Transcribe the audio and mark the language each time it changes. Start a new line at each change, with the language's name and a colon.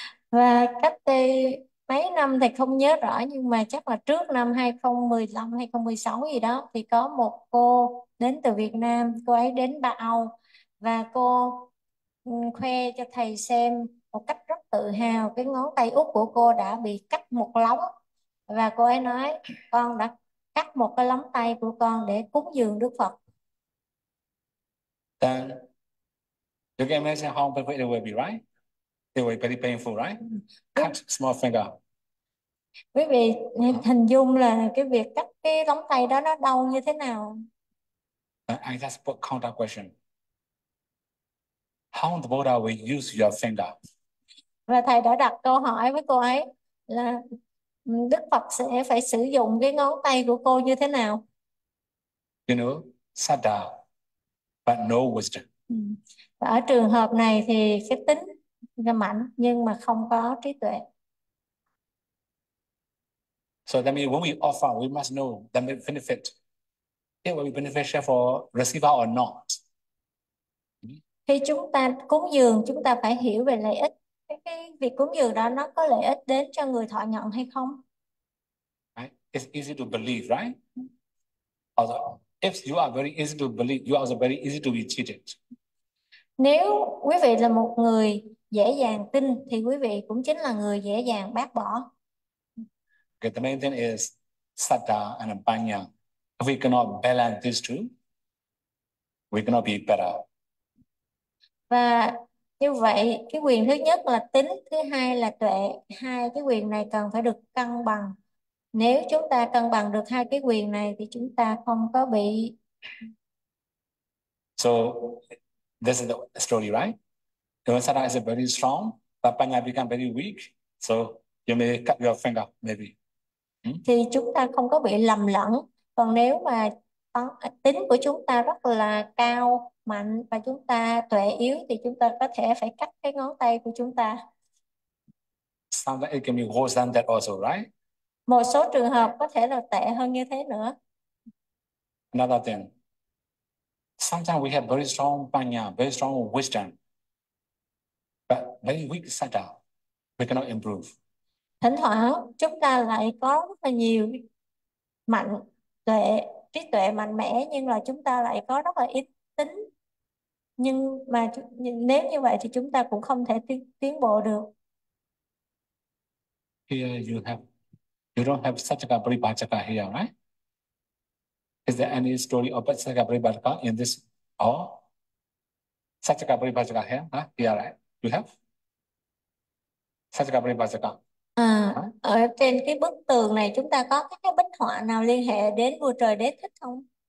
Vietnamese: Và cách đây mấy năm thì không nhớ rõ, nhưng mà chắc là trước năm 2015, 2016 gì đó, thì có một cô đến từ Việt Nam, cô ấy đến Ba Âu và cô khoe cho thầy xem một cách rất tự hào, cái ngón tay út của cô đã bị cắt một lóng. Và cô ấy nói, con đã cắt một cái lóng tay của con để cúng dường Đức Phật.
English: Then you can imagine how painful it will be, right? It will be very painful, right? Cut small finger.
Vietnamese: Quý vị hình dung là cái việc cắt cái lóng tay đó nó đau như thế nào?
English: I just put counter question. How in the world will you use your finger?
Vietnamese: Và thầy đã đặt câu hỏi với cô ấy là Đức Phật sẽ phải sử dụng cái ngón tay của cô như thế nào?
English: Sada. But no wisdom.
Vietnamese: Và ở trường hợp này thì cái tính là mạnh nhưng mà không có trí tuệ.
English: So that means when we offer, we must know the benefit. It will be beneficial for receiver or not.
Vietnamese: Khi chúng ta cúng dường, chúng ta phải hiểu về lợi ích. Cái việc cúng dường đó nó có lợi ích đến cho người thọ nhận hay không?
English: Right? It's easy to believe, right? Although, if you are very easy to believe, you are also very easy to be cheated.
Vietnamese: Nếu quý vị là một người dễ dàng tin thì quý vị cũng chính là người dễ dàng bác bỏ.
English: The main thing is Saddha and Panya. If we cannot balance these two, we cannot be better.
Vietnamese: Và như vậy cái quyền thứ nhất là tính, thứ hai là tuệ, hai cái quyền này cần phải được cân bằng. Nếu chúng ta cân bằng được hai cái quyền này thì chúng ta không có bị.
English: So this is the story, right? Vipassana is a very strong, but Panya become very weak. So you may cut your finger, maybe.
Vietnamese: Thì chúng ta không có bị lầm lẫn. Còn nếu mà tính của chúng ta rất là cao mạnh và chúng ta tuệ yếu thì chúng ta có thể phải cắt cái ngón tay của chúng ta.
English: Sometimes it can be worse than that also, right?
Vietnamese: Một số trường hợp có thể là tệ hơn như thế nữa.
English: Another thing. Sometimes we have very strong banya, very strong wisdom, but very weak sada. We cannot improve.
Vietnamese: Thỉnh thoảng chúng ta lại có rất là nhiều mạnh tuệ, trí tuệ mạnh mẽ, nhưng là chúng ta lại có rất là ít tính. Nhưng mà nếu như vậy thì chúng ta cũng không thể tiến bộ được.
English: Here you don't have such a Satchaka Paribhajaka here, right? Is there any story of Satchaka Paribhajaka in this or Satchaka Paribhajaka here, right? Here, right? You have Satchaka Paribhajaka, right?
Vietnamese: Ở trên cái bức tường này chúng ta có các cái bích họa nào liên hệ đến vua trời đế thích không?